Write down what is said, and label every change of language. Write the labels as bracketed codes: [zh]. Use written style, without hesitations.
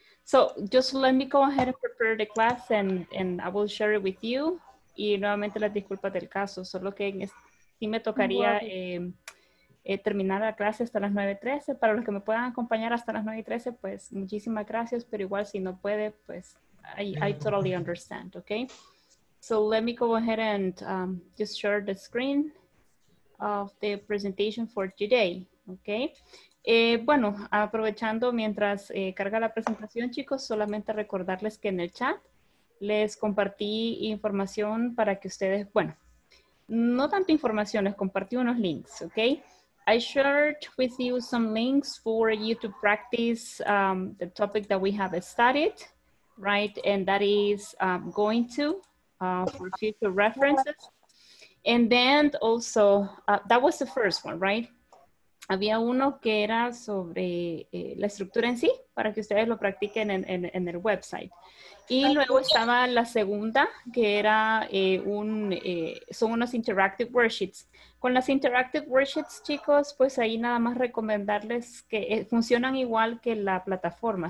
[en] So just let me go ahead and prepare the class and I will share it with you. [es] Y nuevamente la disculpa del caso, solo que sí me tocaría terminar la clase hasta las 9:13. Para los que me puedan acompañar hasta las 9:13, pues muchísimas gracias, pero igual si no puede, pues [en] I totally understand, okay? So let me go ahead and just share the screen of the presentation for today, okay? [es] Bueno, aprovechando mientras carga la presentación, chicos, solamente recordarles que en el chat les compartí información para que ustedes, bueno, no tanto información, les compartí unos links, okay? [en] I shared with you some links for you to practice the topic that we have studied, right? And that is going to for future references. And then also, that was the first one, right? [es] Había uno que era sobre la estructura en sí, para que ustedes lo practiquen en el website. Y luego estaba la segunda, que era son unos interactive worksheets. Con las interactive worksheets, chicos, pues ahí nada más recomendarles que funcionan igual que la plataforma.